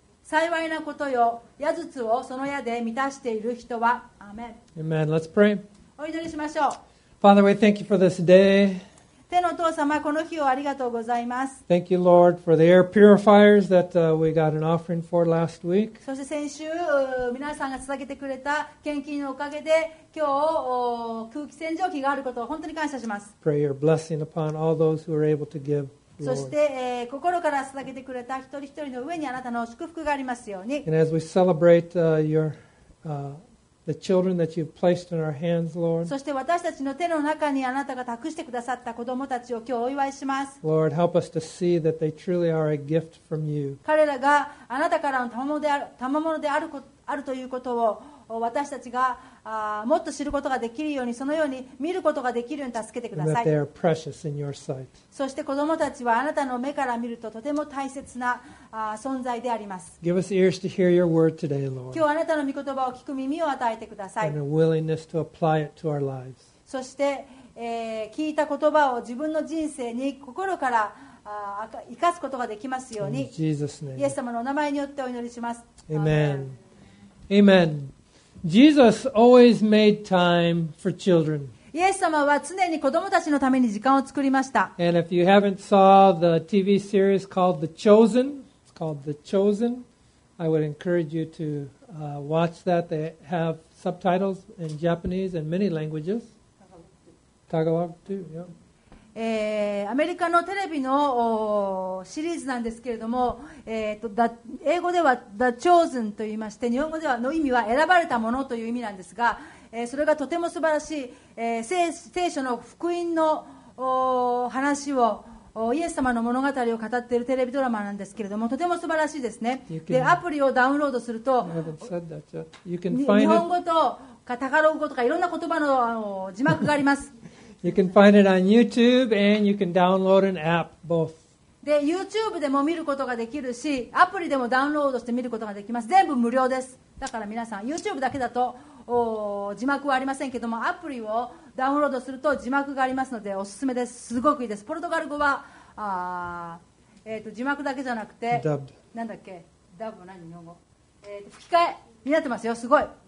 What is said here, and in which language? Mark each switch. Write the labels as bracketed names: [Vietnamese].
[Japanese] 幸いなことよ、矢筒をその矢で満たしている人は。アーメン。 [English] Amen. Let's pray. [Japanese] お祈りしましょう。 [English] Father, we thank you for this day. [Japanese] 天のお父様、この日をありがとうございます。 [English] Thank you, Lord, for the air purifiers that, we got an offering for last week. [Japanese] そして先週、皆さんが捧げてくれた献金のおかげで、今日、空気洗浄機があることを本当に感謝します。 [English] Pray your blessing upon all those who are able to give, Lord. [Japanese] そして、心から捧げてくれた一人一人の上にあなたの祝福がありますように。 [English] And as we celebrate, your, The children that you've placed in our hands, Lord. [Japanese] そして私たちの手の中にあなたが託してくださった子どもたちを今日お祝いします。 [English] Lord, help us to see that they truly are a gift from you. [Japanese] 彼らがあなたからの賜物であるということを私たちがもっと知ることができるように、そのように見ることができるように助けてください。 [English] And that they are precious in your sight. [Japanese] そして子どもたちはあなたの目から見るととても大切な存在であります。 [English] Give us ears to hear your word today, Lord. [Japanese] 今日あなたの御言葉を聞く耳を与えてください。 [English] And a willingness to apply it to our lives. [Japanese] そして、聞いた言葉を自分の人生に心から生かすことができますように。 [English] In Jesus' name. [Japanese] イエス様のお名前によってお祈りします。 [English] Amen. Amen. Jesus always made time for children. [Japanese] イエス様は常に子供たちのために時間を作りました。 [English] And if you haven't saw the TV series called The Chosen,Called The Chosen. I would encourage you to, watch that. They have subtitles in Japanese and many languages. Tagalog too. Yeah. [Japanese] アメリカのテレビのシリーズなんですけれども、英語では The Chosen と言いまして、日本語ではの意味は選ばれたものという意味なんですが、それがとても素晴らしい、聖書の福音の話をイエス様の物語を語っているテレビドラマなんですけれども、とても素晴らしいですね。 [English] can, [Japanese] でアプリをダウンロードすると、日本語とかタガログ語とかいろんな言葉の字幕があります。 [English] You can find it on YouTube and you can download an app both. [Japanese] で YouTube でも見ることができるし、アプリでもダウンロードして見ることができます。全部無料です。だから皆さん、 YouTube だけだと字幕はありませんけども、アプリをダウンロードすると字幕がありますので、おすすめです。すごくいいです。ポルトガル語は字幕だけじゃなくて、なんだっけ、ダブ何日本語、吹き替えになってますよ。すごい。